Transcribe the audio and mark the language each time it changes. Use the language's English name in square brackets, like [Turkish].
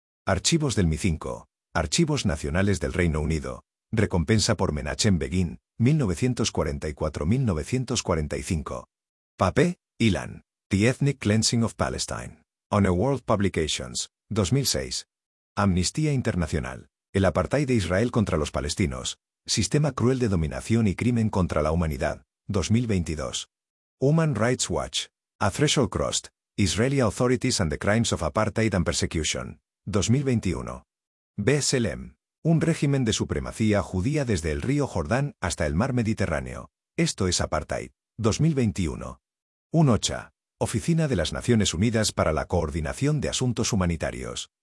[Spanish] Archivos del MI5, Archivos Nacionales del Reino Unido, Recompensa por Menachem Begin, 1944-1945. Papé, Ilan, [English] The Ethnic Cleansing of Palestine, [Spanish] On a World Publications, 2006. Amnistía Internacional, El Apartheid de Israel contra los Palestinos, Sistema Cruel de Dominación y Crimen contra la Humanidad, 2022. [English] Human Rights Watch, A Threshold Crossed, Israeli Authorities and the Crimes of Apartheid and Persecution, 2021. [Spanish] B'Tselem, Un régimen de supremacía judía desde el río Jordán hasta el mar Mediterráneo. Esto es Apartheid, 2021. UNOCHA, Oficina de las Naciones Unidas para la Coordinación de Asuntos Humanitarios.